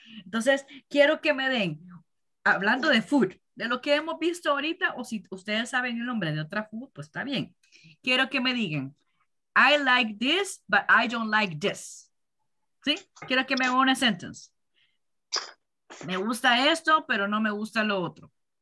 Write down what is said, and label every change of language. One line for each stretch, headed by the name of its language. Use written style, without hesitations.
Spanish: Entonces, quiero que me den, hablando de food, de lo que hemos visto ahorita, o si ustedes saben el nombre de otra food, pues está bien. Quiero que me digan,
English: I like this, but I don't like this.
Spanish: ¿Sí? Quiero que me hagan una sentence. Me gusta esto, pero no me gusta lo otro.